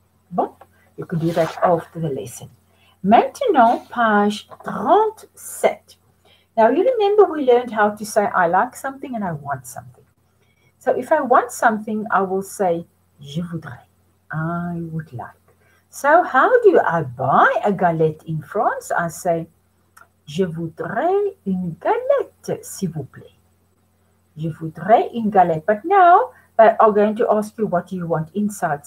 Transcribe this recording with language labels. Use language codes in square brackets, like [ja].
[en] Bon, you can do that after the lesson. [fr] Maintenant, page 37. [en] Now, you remember we learned how to say, I like something and I want something. So if I want something, I will say, [fr] je voudrais. [en] I would like. So how do I buy a galette in France? I say, [fr] je voudrais une galette, s'il vous plaît. Je voudrais une galette. [en] But now they are going to ask you what you want inside.